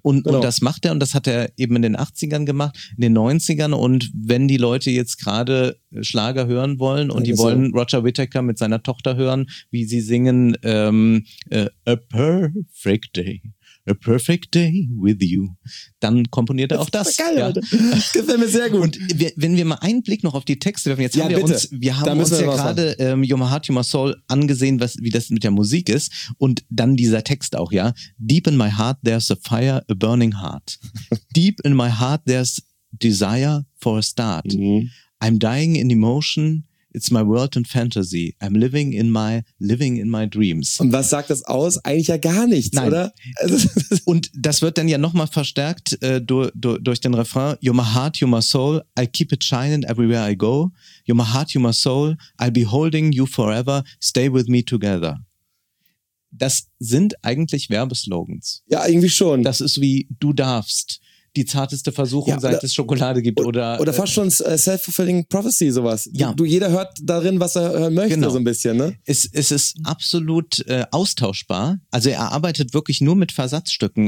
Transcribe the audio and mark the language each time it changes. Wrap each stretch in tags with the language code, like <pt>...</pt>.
<de>Und das macht er, und das hat er eben in den 80ern gemacht, in den 90ern, und wenn die Leute jetzt gerade Schlager hören wollen und die wollen Roger Whittaker mit seiner Tochter hören, wie sie singen, A Perfect Day.</de> <en>A perfect day with you.</en> <de>Dann komponiert er auch das. Geil, Alter. Das gefällt mir sehr gut. Und wenn wir mal einen Blick noch auf die Texte werfen, jetzt haben wir uns gerade Your Heart, Your Soul angesehen, wie das mit der Musik ist. Und dann dieser Text auch, ja.</de> <en>Deep in my heart, there's a fire, a burning heart. Deep in my heart, there's desire for a start. Mhm. I'm dying in emotion. It's my world and fantasy. I'm living in my dreams.</en> <de>Und was sagt das aus? Eigentlich ja gar nichts, nein, oder? Und das wird dann ja nochmal verstärkt durch den Refrain.</de> <en>You're my heart, you're my soul. I'll keep it shining everywhere I go. You're my heart, you're my soul. I'll be holding you forever. Stay with me together.</en> <de>Das sind eigentlich Werbeslogans. Ja, irgendwie schon. Das ist wie du darfst. die zarteste Versuchung, ja, seit es Schokolade gibt. Oder fast schon self-fulfilling prophecy, sowas. Ja. Jeder hört darin, was er hören möchte, genau. So ein bisschen, ne? Es ist absolut austauschbar. Also er arbeitet wirklich nur mit Versatzstücken.</de>